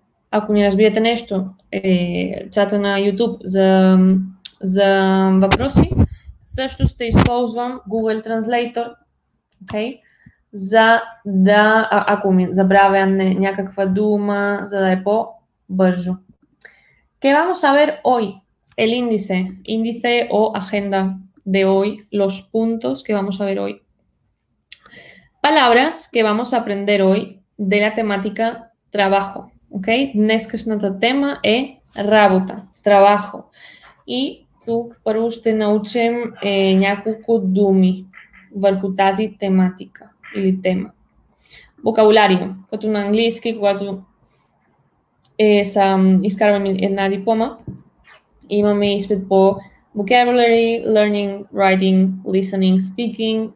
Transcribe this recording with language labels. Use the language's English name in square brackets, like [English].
[Bulgarian] Ако не разбирате нещо, чата на YouTube за въпроси, също ще използвам Google Translator, okay, за да, ако ми забравя някаква дума, за да е по-бързо. [Spanish] Que vamos a ver hoy? El índice. Índице o agenda de hoy. Los puntos que vamos a ver hoy. Palabras que vamos a aprender hoy de la temática trabajo. [Bulgarian] Okay, днеска нашата тема е работа, трабахо. И тук първо ще научим няколко думи върху тази тематика или тема. Vocabulario, като на английски, когато изкарваме една диплома, имаме изпит по [English] vocabulary, learning, writing, listening, speaking.